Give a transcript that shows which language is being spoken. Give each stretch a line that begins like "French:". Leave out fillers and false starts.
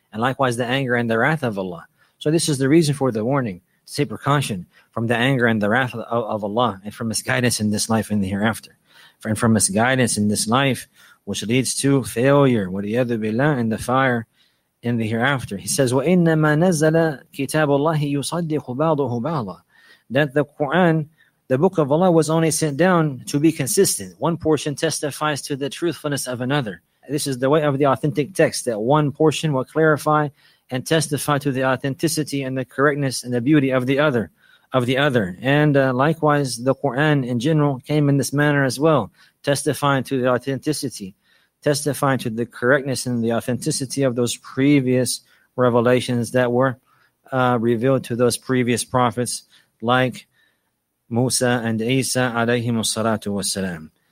English: And likewise, the anger and the wrath of Allah. So this is the reason for the warning, to take precaution from the anger and the wrath of Allah, and from misguidance in this life and the hereafter. And from misguidance in this life, which leads to failure,
Arabic: وَلِيَذُ بِاللَّهِ
English: in the fire in the hereafter. He says,
Arabic: وَإِنَّمَا نَزَّلَ كِتَابُ اللَّهِ يُصَدِّقُ بَعْضُهُ بَعْضًا.
English: That the Qur'an, the Book of Allah, was only sent down to be consistent. One portion testifies to the truthfulness of another. This is the way of the authentic text, that one portion will clarify and testify to the authenticity and the correctness and the beauty of the other. And likewise, the Qur'an in general came in this manner as well, testifying to the authenticity, testifying to the correctness and the authenticity of those previous revelations that were revealed to those previous prophets, like Musa and Isa, alayhimu salatu wassalam.